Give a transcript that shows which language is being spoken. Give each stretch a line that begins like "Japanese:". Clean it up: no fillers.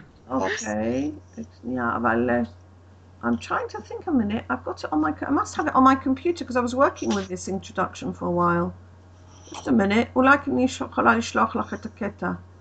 Hebrew: Okay, שנייה, אבל.
English: I'm trying to think a minute. I've got it on my. I must have it on my computer because I was working with this introduction for a while. Just a minute.
Hebrew: אולי אני יכולה לשלוח לך את הקטע.